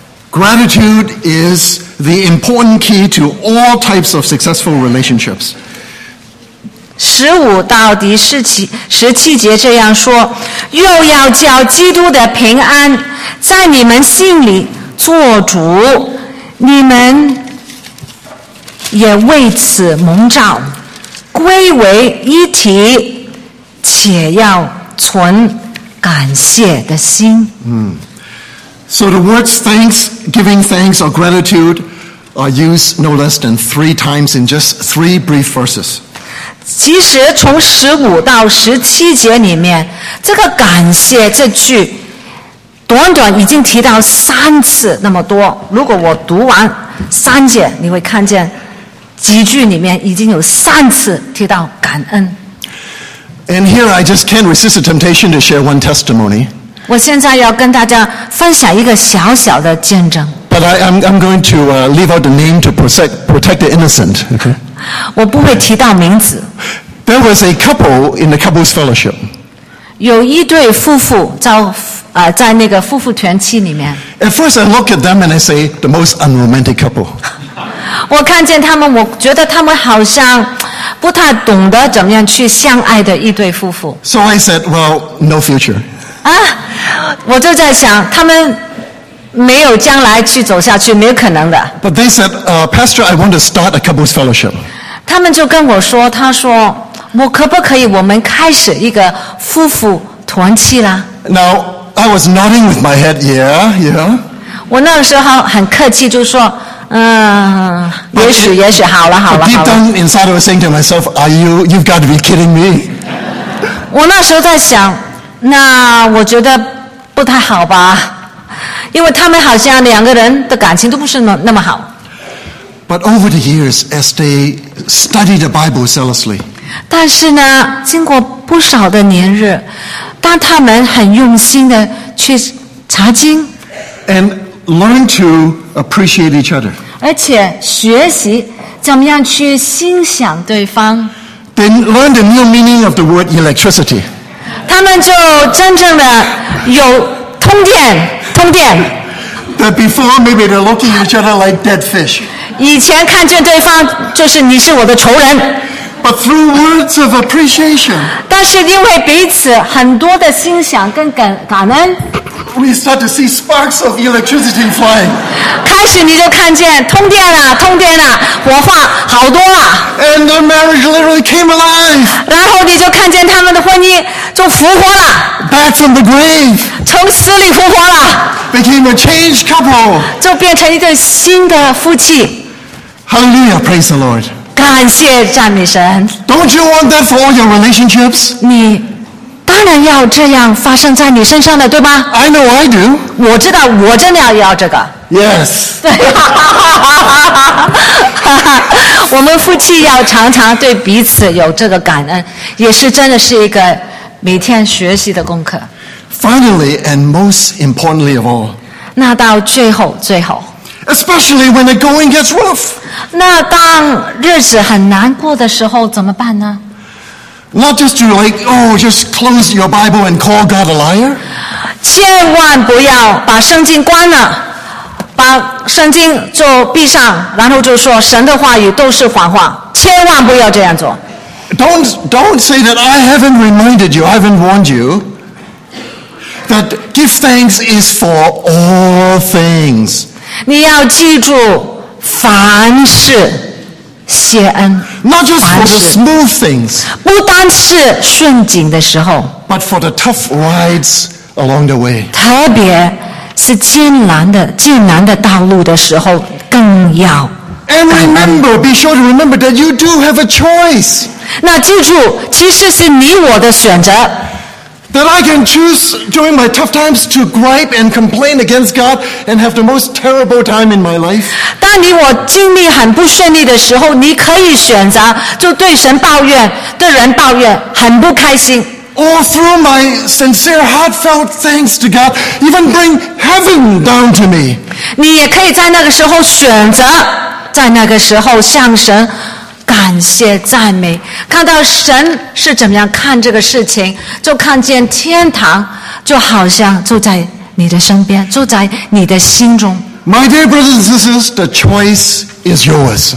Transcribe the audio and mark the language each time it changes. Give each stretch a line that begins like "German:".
English: Gratitude is the important key to all types of successful relationships
Chinese: 十五到第十七节这样说又要叫基督的平安在你们心里做主你们也为此蒙召归为一体且要存感谢的心、
English: So the words thanks, giving thanks or gratitude are used no less than 3 times in just 3 brief verses
Chinese: 其实从十五到十七节里面这个感谢这句短短已经提到3次那么多如果我读完3节你会看见几句里面已经有3次提到感恩
English: And here I just can't resist the temptation to share one testimony
Chinese: 我现在要跟大家分享一个小小的见证
English: But I'm going to leave out the name to protect the innocent Okay
Chinese: 我不会提到名字。
English: There was a couple in the couple's fellowship.
Chinese: 有一对夫妇在那个夫妇团契里面。
English: At first, I look at them and I say, the most unromantic couple.
Chinese: 我看见他们，我觉得他们好像不太懂得怎么样去相爱的一对夫妇。
English: So I said, well, no future.
Chinese: 啊，我就在想，他们没有将来去走下去，没有可能的。
English: But they said, Pastor, I want to start a couple's fellowship.
Chinese: 他们就跟我说，他说，我可不可以我们开始一个夫妇团契啦？
English: Now, I was nodding with my head, yeah, yeah.
Chinese: 我那个时候很客气，就说，嗯，也许，也许，好了，好了。
English: But deep down inside, I was saying to myself, "Are you? You've got to be kidding me."
Chinese: 我那时候在想，那我觉得不太好吧，因为他们好像两个人的感情都不是那么好。
English: But over the years, as they studied the Bible zealously,
Chinese: 但是呢，经过不少的年日，当他们很用心的去查经。
English: And learn to appreciate each other.
Chinese: 而且学习怎么样去欣赏对方。
English: They learn the new meaning of the word electricity.
Chinese: 他们就真正的有通电，通电。
English: That before maybe they're looking at each other like dead fish.
Chinese: 以前看见对方就是你是我的仇人。
English: But through words of appreciation.
Chinese: 但是因为彼此很多的欣赏跟感恩。
English: We start to see sparks of electricity flying.
Chinese: 开始你就看见通电了，通电了，火花好多了。
English: And the marriage literally came alive.
Chinese: 然后你就看见他们的婚姻就复活了。
English: Back from the grave.
Chinese: 从死里复活了。
English: Became a changed couple.
Chinese: 就变成一对新的夫妻。
English: Hallelujah, praise the Lord.
Chinese: 感谢赞美神。
English: Don't you want that for all your relationships?
Chinese: 你当然要这样发生在你身上的，对吧
English: ？I know I do。
Chinese: 我知道，我真的要这个。
English: Yes。
Chinese: 我们夫妻要常常对彼此有这个感恩，也是真的是一个每天学习的功课。
English: Finally and most importantly of all。
Chinese: 那到最后，最后。
English: Especially when the going gets rough。
Chinese: 那当日子很难过的时候，怎么办呢？
English: Not just to like, oh, just close your Bible and call God a liar.
Chinese: 千万不要把圣经关了，把圣经就闭上，然后就说神的话语都是谎话。千万不要这样做。
English: Don't say that I haven't reminded you, I haven't warned you that give thanks is for all things.
Chinese: 你要记住，凡事。谢恩
English: Not just for the smooth things,
Chinese: 不单是顺境的时候
English: but for the tough rides along the way.
Chinese: 特别是艰难的道路的时候更要
English: And remember, be sure to remember that you do have a choice.
Chinese: 那记住其实是你我的选择
English: That I can choose during my tough times to gripe and complain against God and have the most terrible time in my life.
Chinese: 当你我经历很不顺利的时候，你可以选择就对神抱怨，对人抱怨，很不开心。
English: Or through my sincere, heartfelt thanks to God, even bring heaven down to me.
Chinese: 你也可以在那个时候选择，在那个时候向神感谢赞美，看到神是怎么样看这个事情，就看见天堂就好像住在你的身边，住在你的心中。
English: My dear brothers and sisters, the choice is yours.